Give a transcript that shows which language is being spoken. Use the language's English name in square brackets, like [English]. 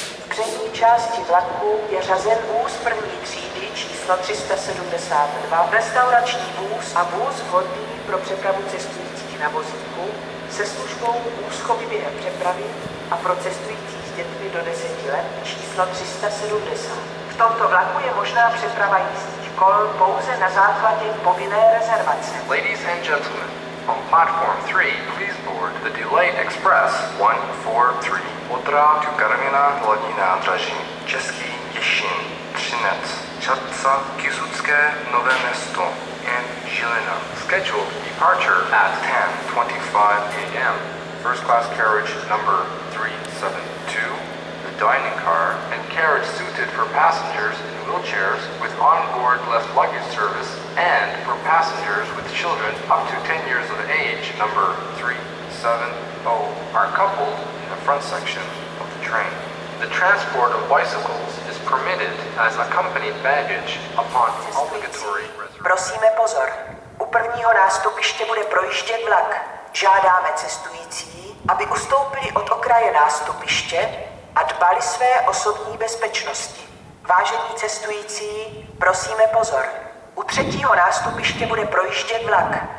[Czech] V přední části vlaku je řazen vůz první třídy číslo 372, restaurační vůz a vůz vhodný pro přepravu cestujících na vozíku se službou úschovy během přepravy a pro cestující s dětmi do 10 let číslo 370. V tomto vlaku je možná přeprava jízdních kol pouze na základě povinné rezervace. [English] Ladies and gentlemen, on platform 3, please board the Delayed Express 143. Odra to Karviná hlavní nádraží, Český Těšín, Třinec, Čaca, Jisucké Nové Město and Žilina. Scheduled departure at 10:25 a.m. First class carriage number 372. The dining car and carriage suited for passengers in wheelchairs with onboard left luggage service and for passengers with children up to 10 years of age, number 370, are coupled in the front section of the train. The transport of bicycles is permitted as accompanied baggage upon obligatory reservation. [Czech] Prosíme pozor. U prvního nástupiště bude projíždět vlak. Žádáme cestující, aby ustoupili od okraje nástupiště a dbali své osobní bezpečnosti. Vážení cestující, prosíme pozor. U třetího nástupiště bude projíždět vlak.